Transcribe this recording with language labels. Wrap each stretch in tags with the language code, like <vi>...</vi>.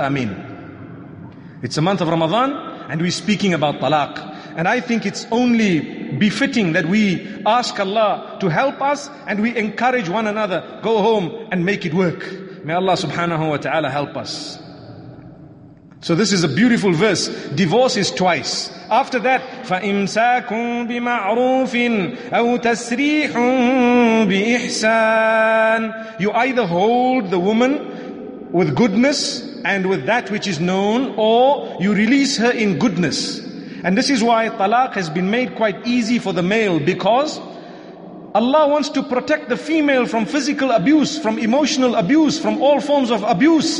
<en>Ameen. It's a month of Ramadan, and we're speaking about talaq. And I think it's only befitting that we ask Allah to help us and we encourage one another, go home and make it work. May Allah subhanahu wa ta'ala help us. So this is a beautiful verse. Divorce is twice. After that,</en> <ar>فَإِمْسَاكُمْ بِمَعْرُوفٍ أَوْ تَسْرِيحٌ بِإِحْسَانٍ.</ar> <en>You either hold the woman with goodness and with that which is known, or you release her in goodness. And this is why talaq has been made quite easy for the male, because Allah wants to protect the female from physical abuse, from emotional abuse, from all forms of abuse.</en>